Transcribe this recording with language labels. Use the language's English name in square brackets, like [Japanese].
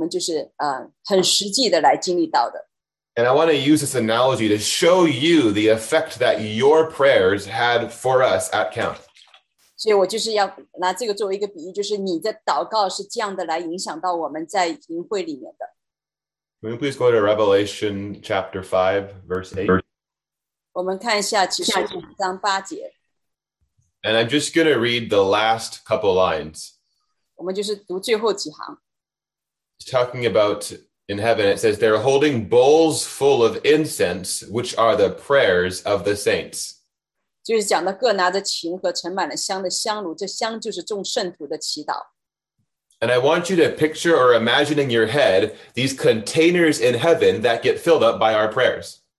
[Chinese] 所以我就是要跟大家讲，就是真的我们在年轻人的这个营会的里面，我们就是很实际的来经历到的。And [English] I want to use this analogy to show you the effect that your prayers had for us at camp. [Chinese] 所以我就是要拿这个作为一个比喻，就是你的祷告是这样的来影响到我们在营会里面的。 [English] Can we please go to Revelation chapter 5, verse 8? [Chinese] 我们看一下启示录章八节。 [English] And I'm just going to read the last couple lines. [Chinese] 我们就是读最后几行。 [English] It's talking about in heaven, it says, they're holding bowls full of incense, which are the prayers of the saints. [Chinese] 就是讲的各拿着琴和盛满了香的香炉，这香就是众圣徒的祈祷。 [English] And I want you to picture or imagine in your head these containers in heaven that get filled up by our prayers.